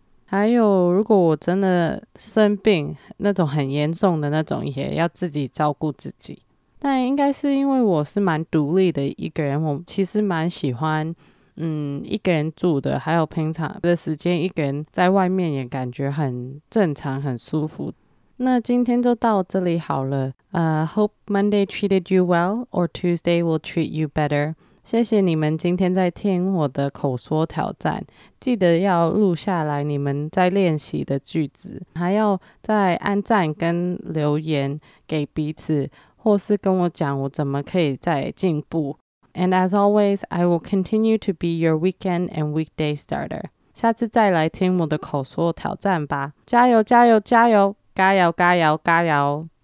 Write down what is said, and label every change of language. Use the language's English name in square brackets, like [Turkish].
[Chinese] 还有如果我真的生病那种很严重的那种也要自己照顾自己。但应该是因为我是蛮独立的一个人，我其实蛮喜欢一个人住的，还有平常的时间一个人在外面也感觉很正常很舒服。那今天就到这里好了。 [English] Hope Monday treated you well, or Tuesday will treat you better. [Chinese] 谢谢你们今天在听我的口说挑战，记得要录下来你们在练习的句子，还要再按赞跟留言给彼此，或是跟我讲我怎么可以再进步。 [English] And as always, I will continue to be your weekend and weekday starter. [Chinese] 下次再来听我的口说挑战吧。加油加油加油，加油加油加油。